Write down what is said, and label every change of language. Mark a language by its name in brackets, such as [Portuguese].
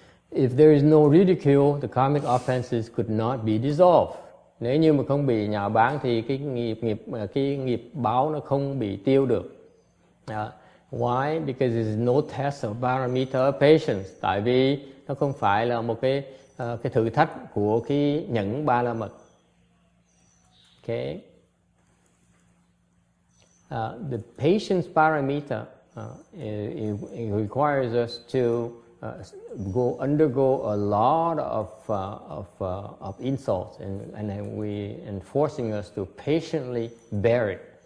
[English] If there is no ridicule, the karmic offenses could not be dissolved. [Vietnamese] Nếu như mà không bị nhào báng thì cái nghiệp báo nó không bị tiêu được. [English] Why? Because there is no test of barometer of patience. [Vietnamese] Tại vì nó không phải là một cái thử thách của cái nhẫn ba la mật. [English] Okay. The patience parameter it requires us to undergo a lot of insults and forcing us to patiently bear it.